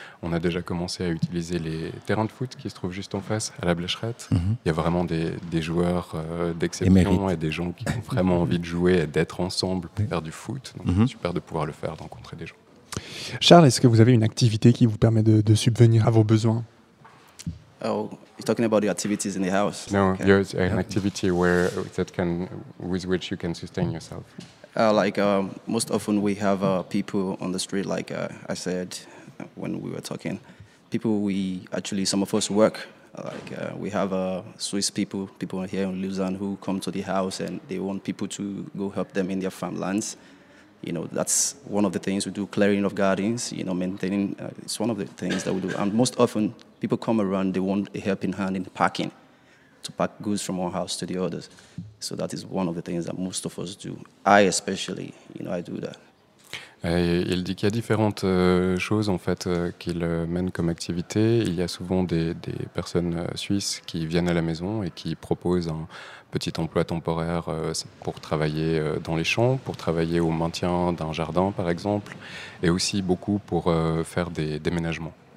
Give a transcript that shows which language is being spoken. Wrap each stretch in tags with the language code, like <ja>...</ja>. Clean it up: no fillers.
<fr>On a déjà commencé à utiliser les terrains de foot qui se trouvent juste en face, à la Blecherette. Mm-hmm. Il y a vraiment des joueurs d'exception et des gens qui ont vraiment envie de jouer et d'être ensemble pour faire du foot. Donc, mm-hmm. C'est super de pouvoir le faire, d'encontrer des gens. Charles, est-ce que vous avez une activité qui vous permet de subvenir à vos besoins?</fr> <en>Oh, you're talking about the activities in the house. No, okay. Yours, an activity where that can with which you can sustain yourself. Most often we have people on the street, like I said when we were talking. People we actually some of us work. Like we have Swiss people here in Lausanne who come to the house and they want people to go help them in their farmlands. You know, that's one of the things we do, clearing of gardens, you know, maintaining, it's one of the things that we do. And most often, people come around, they want a helping hand in packing, to pack goods from one house to the others. So that is one of the things that most of us do. I especially, you know, I do that.</en> <fr>Et il dit qu'il y a différentes choses en fait qu'il mène comme activité. Il y a souvent des personnes suisses qui viennent à la maison et qui proposent un petit emploi temporaire pour travailler dans les champs, pour travailler au maintien d'un jardin par exemple, et aussi beaucoup pour faire des déménagements.</fr>